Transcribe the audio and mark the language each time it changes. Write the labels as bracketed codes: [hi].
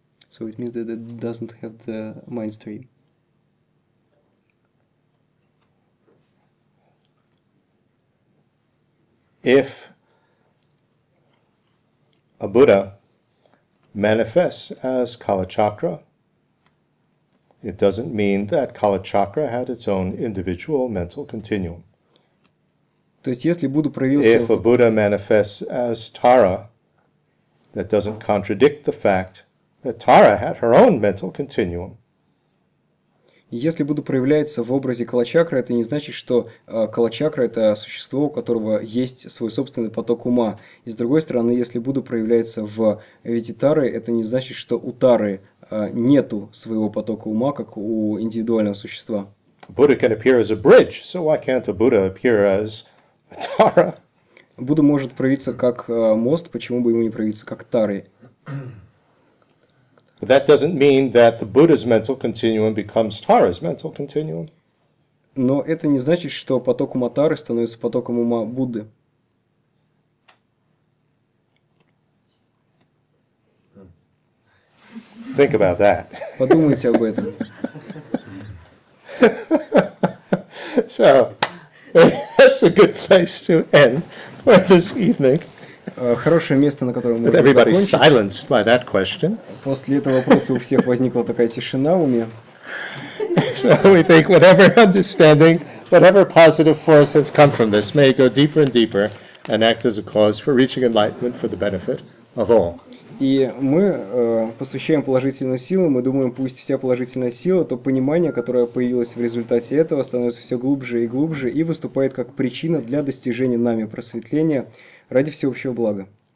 [en] So it means that it doesn't have the mind stream. If a Buddha manifests as Kala Chakra, it doesn't mean that Kala Chakra had its own individual mental continuum. [ru] То есть, если Будда [en] If a Buddha manifests as Tara, that doesn't contradict the fact that Tara had her own mental continuum. [ru] Если Будда проявляется в образе Калачакры, это не значит, что Калачакра – это существо, у которого есть свой собственный поток ума. И с другой стороны, если Будда проявляется в виде Тары, это не значит, что у Тары нету своего потока ума, как у индивидуального существа. [en] Buddha can appear as a bridge, so why can't a Buddha appear as a Tara? [ru] Будда может проявиться как мост, почему бы ему не проявиться как Тары? [en] But that doesn't mean that the Buddha's mental continuum becomes Tara's mental continuum. [ru] Но это не значит, что поток ума Тары становится потоком ума Будды. [en] Think about that. [ru] Подумайте об этом. [en] So, that's a good place to end for this evening. [ru] Хорошее место, на котором мы [en] Everybody silenced by that question. [ru] После этого вопроса у всех возникла такая тишина в уме. [en] So we think whatever understanding, whatever positive force has come from this, may go deeper and deeper and act as a cause for reaching enlightenment for the benefit of all. [ru] И мы посвящаем положительную силу, мы думаем, пусть вся положительная сила, то понимание, которое появилось в результате этого, становится все глубже и глубже и выступает как причина для достижения нами просветления ради всеобщего блага.